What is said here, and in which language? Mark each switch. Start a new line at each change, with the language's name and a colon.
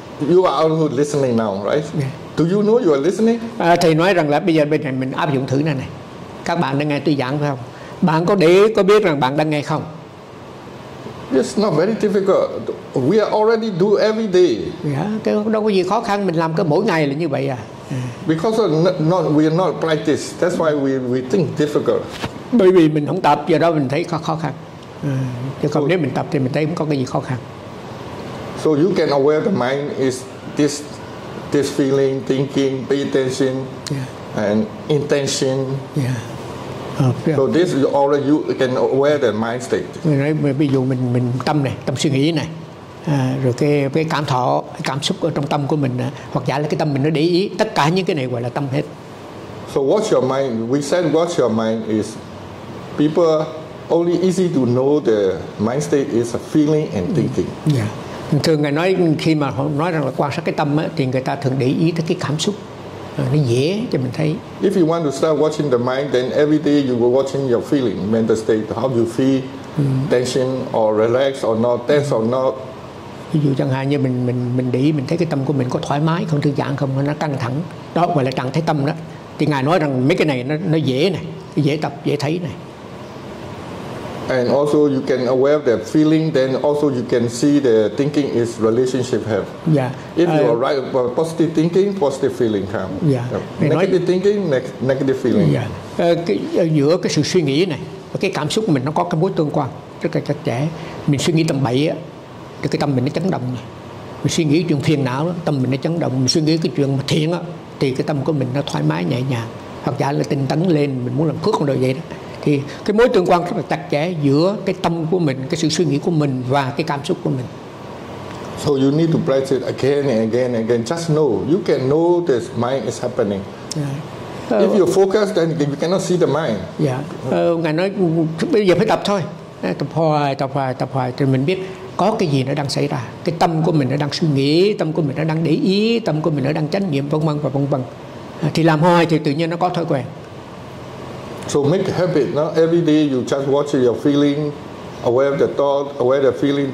English: You are also listening now, right? Yeah. Do you know you are listening?
Vietnamese: Thầy nói rằng là bây giờ bên này mình áp dụng thử này này. Các bạn đang nghe tôi giảng phải không? Bạn có để ý, có biết rằng bạn đang nghe không?
English: It's not very difficult. We are already do every day.
Vietnamese: Yeah, cái đâu có gì khó khăn, mình làm cái mỗi ngày là như vậy à.
English: Because we are not practice. That's why we think difficult.
Vietnamese: Bởi vì mình không tập, giờ đó mình thấy khó khăn. Chứ còn nếu mình tập thì mình thấy không có cái gì khó khăn.
English: So you can aware the mind is this feeling, thinking, pay attention, and intention. Yeah. So this is already you can aware the mind state.
Vietnamese: Ví dụ mình tâm này, tâm suy nghĩ này, rồi cái cảm thọ, cảm xúc ở trong tâm của mình, hoặc giả là cái tâm mình nó để ý, tất cả những cái này gọi là tâm hết.
English: So what's your mind? We said what's your mind is people only easy to know the mind state is a feeling and thinking.
Vietnamese: Yeah. Thường người nói khi mà nói rằng là quan sát cái tâm thì người ta thường để ý tới cái cảm xúc. nó dễ cho mình thấy.
English: If you want to start watching the mind, then every day you were watching your feeling, mental state, how you feel, tension or relaxed or not, tense or not.
Vietnamese: Ví dụ chẳng hạn như mình để ý, mình thấy cái tâm của mình có thoải mái, không thư giãn, không nó căng thẳng, đó gọi là trạng thái tâm đó. Thì ngài nói rằng mấy cái này nó dễ này, dễ tập, dễ thấy này.
English: And also you can aware of that feeling, then also you can see the thinking is relationship have. Yeah. If you are right about positive thinking, positive feeling come. Yeah. Negative thinking, negative feeling. Yeah.
Vietnamese: Giữa cái sự suy nghĩ này và cái cảm xúc mình nó có cái mối tương quan rất là chặt chẽ. Mình suy nghĩ tầm bậy á, thì cái tâm mình nó chấn động này. Mình suy nghĩ chuyện phiền não á, tâm mình nó chấn động. Mình suy nghĩ cái chuyện mà thiện á, thì cái tâm của mình nó thoải mái nhẹ nhàng. Hoặc giả là tinh tấn lên, mình muốn làm phước con đời vậy đó. Thì cái mối tương quan rất là chặt chẽ giữa cái tâm của mình, cái sự suy nghĩ của mình và cái cảm xúc của mình.
English: So you need to practice it again and again and again. Just know, you can know this mind is happening. Yeah. If you focus, then you cannot see the mind. Yeah.
Vietnamese: Ngài nói bây giờ phải tập thôi, tập hoài thì mình biết có cái gì nó đang xảy ra. Cái tâm của mình nó đang suy nghĩ, tâm của mình nó đang để ý, tâm của mình nó đang chánh niệm, vân vân và vân vân. Thì làm hoài thì tự nhiên nó có thói quen.
English: So make a habit. Now every day you just watch your feeling, aware of the thought, aware of the feeling.